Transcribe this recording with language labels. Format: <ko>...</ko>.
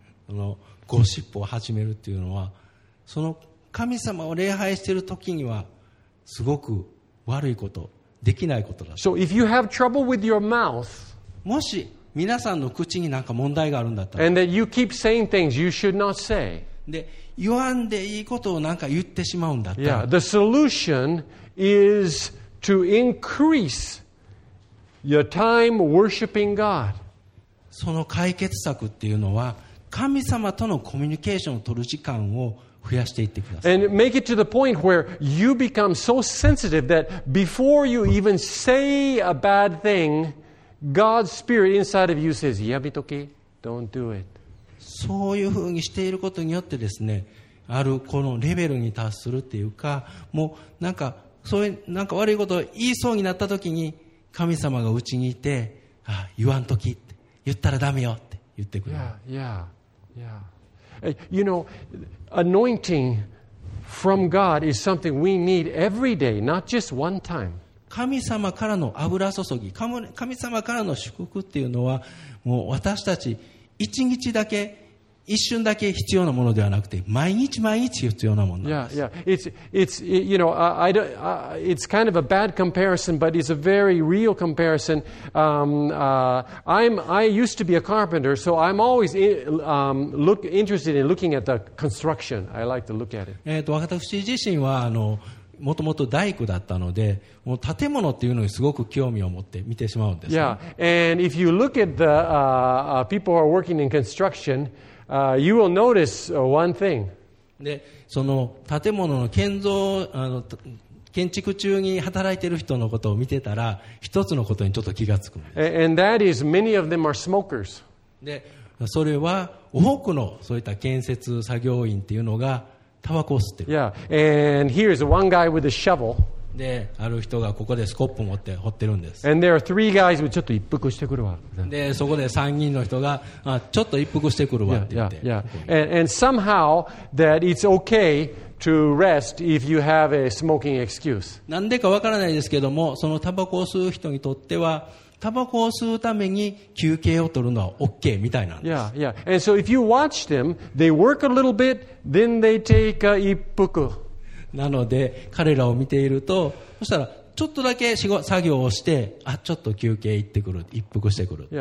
<ja>このゴシップを始めるっていうのは、その神様を礼拝している時にはすごく悪いこと、できないことだ。</ja> <en>So if you have trouble with your mouth,</en> <ja>もし皆さんの口に何か問題があるんだったら、</ja> <en>and that you keep saying things you should not say.</en> <ja>で、言わんでいいことを何か言ってしまうんだったら、</ja> <en>yeah, the solution is to increase your time worshiping God.</en> <ja>その解決策っていうのは、神様とのコミュニケーションを取る時間を増やしていってください。</ja> <en>And make it to the point where you become so sensitive that before you even say a bad thing. God's spirit inside of you says,</en> <ja>やめとけ、</ja> <en>don't do it.</en> <ja>そういうふうにしていることによってですね、あるこのレベルに達するっていうか、もうなんかそういうなんか悪いことを言いそうになったときに、神様がうちにいて、あ、言わんときって、言ったらダメよって言ってくれる。</ja> <en>Yeah, yeah, yeah. You know, anointing from God is something we need every day, not just one time.</en> <ja>神様からの油注ぎ、神様からの祝福っていうのは、もう私たち一日だけ、一瞬だけ必要なものではなくて、毎日毎日必要なものなんです。</ja> <en>Yeah, yeah. It's you know, I don't, it's kind of a bad comparison, but it's a very real comparison. I used to be a carpenter, so I'm always interested in looking at the construction. I like to look at it.</en> <ja>私自身は、もともと大工だったので、もう建物っていうのにすごく興味を持って見てしまうんです、ね、</ja> <en>Yeah, and if you look at the people who are working in construction, you will notice one thing.</en> <ja>で、その建物の建造、建築中に働いている人のことを見てたら、一つのことにちょっと気がつくんです。</ja> <en>And that is many of them are smokers.</en> <ja>で、それは多くのそういった建設作業員っていうのがタバコを吸ってる。</ja> <en>Yeah, and here is one guy with a shovel.</en> <ja>で、ある人がここでスコップ持って掘ってるんです。</ja> <en>And there are three guys with</en> <ja>ちょっと一服してくるわ。で、そこで三人の人が、あ、ちょっと一服してくるわって言って。</ja> <en>Yeah, yeah, yeah. And somehow that it's okay to rest if you have a smoking excuse.</en> <ja>なんでかわからないですけども、そのタバコを吸う人にとっては、タバコを吸うために休憩を取るのは OK みたいなんです。</ja> <en>Yeah, yeah. And so if you watch them, they work a little bit, then they take a 一服。</en> <ja>なので彼らを見ていると、そしたらちょっとだけ作業をして、あ、ちょっと休憩行ってくる、一服してくる。</ja>